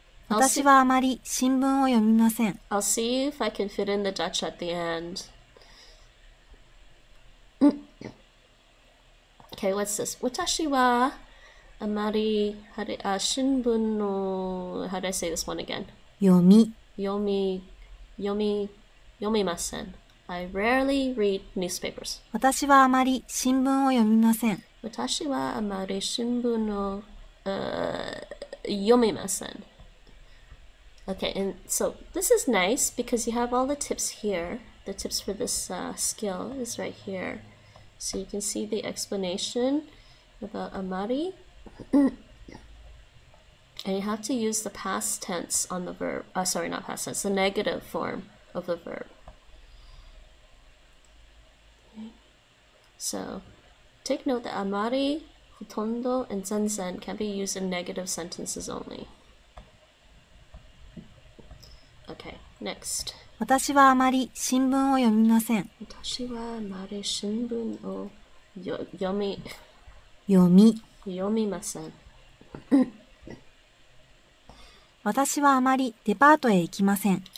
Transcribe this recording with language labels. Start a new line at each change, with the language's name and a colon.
Japanese: 私はあまり新聞を読みません。
English: I'll see if I can fit in the Dutch at the end. Okay, what's this?
Japanese: 私はあまり新聞の
English: How do I say this one again?
Japanese: 読みません。
English: I rarely read newspapers.
Japanese: 私はあまり新聞を読みません。私はあまり新聞を読みません.
English: Okay, and so this is nice because you have all the tips here. The tips for this skill is right here. So you can see the explanation about amari. And you have to use the past tense on the verb. Sorry, not past tense, the negative form of the verb. Okay. So take note that amari Hotondo and zenzen can be used in negative sentences only. Okay, next.
Japanese: 私はあまり新聞を読みません。私はあまり新聞を読みません。私はあまりデパートへ行きません。